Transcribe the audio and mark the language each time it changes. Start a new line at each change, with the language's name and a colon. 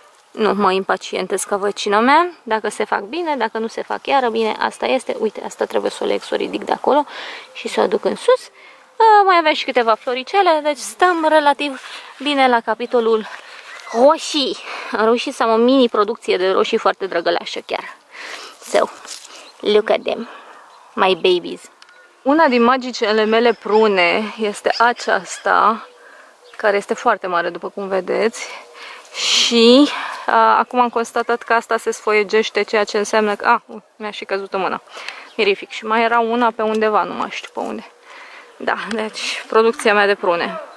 Romanian: Nu mă impacientez ca vecina mea, dacă se fac bine, dacă nu se fac iară bine, asta este, uite, asta trebuie să o leg, să o ridic de acolo și să o aduc în sus. Mai avem și câteva floricele, deci stăm relativ bine la capitolul roșii. Am reușit să am o mini producție de roșii foarte drăgălașă chiar.
English: So, look at them, my babies.
Romanian: Una din magicele mele prune este aceasta, care este foarte mare, după cum vedeți. Și acum am constatat că asta se sfoiegește, ceea ce înseamnă că... mi-a și căzut o mână. Mirific. Și mai era una pe undeva, nu mai știu pe unde. Da, deci producția mea de prune.